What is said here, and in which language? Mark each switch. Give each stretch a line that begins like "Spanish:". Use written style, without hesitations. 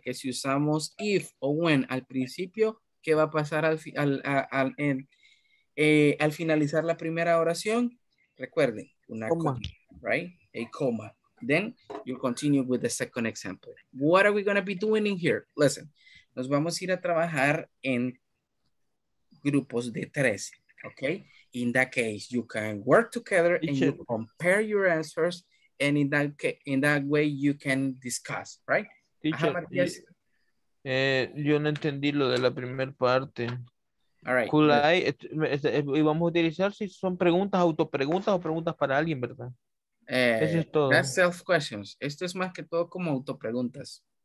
Spanish: Que si usamos if o when al principio, ¿qué va a pasar al finalizar la primera oración? Recuerden, una coma.
English: Right? A coma. Then you continue with the second example. What are we going to be doing in here? Listen.
Spanish: Nos vamos a ir a trabajar en grupos de tres, okay?
English: In that case, you can work together and you compare your answers, and in that way you can discuss, right?
Spanish: Teacher, yo no entendí lo de la primera parte.
English: All right.
Spanish: Y vamos a utilizar si son preguntas, autopreguntas o preguntas para alguien, ¿verdad? Eso es todo.
English: That's self questions.
Spanish: Esto es más que todo como autopreguntas.